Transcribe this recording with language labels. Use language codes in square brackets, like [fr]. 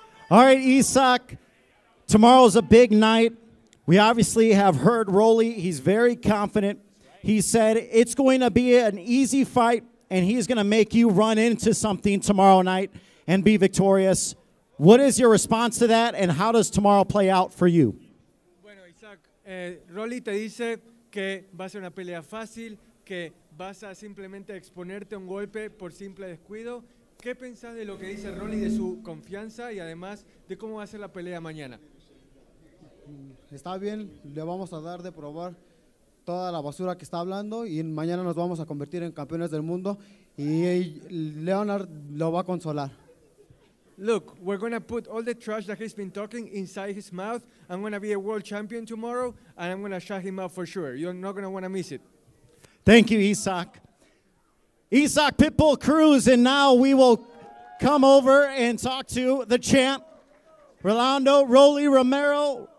[en] All right, Isak, tomorrow's a big night. We obviously have heard Rolly. He's very confident. He said it's going to be an easy fight, and he's going to make you run into something tomorrow night and be victorious. What is your response to that, and how does tomorrow play out for you? [es] Bueno, Isak, Rolly te dice que va a ser una pelea fácil, que vas a simplemente exponerte a un golpe por simple descuido. ¿Qué pensás de lo que dice Rolly, de su confianza y además de cómo va a ser la pelea mañana? Está bien, le vamos a dar de probar toda la basura que está hablando y mañana nos vamos a convertir en campeones del mundo y Leonard lo va a consolar. [en] look, we're going to put all the trash that he's been talking inside his mouth. I'm going to be a world champion tomorrow, and I'm going to shut him up for sure. You're not going to want to miss it. Thank you, Isak. Isak Pitbull Cruz, and now we will come over and talk to the champ, Rolando Rolly Romero.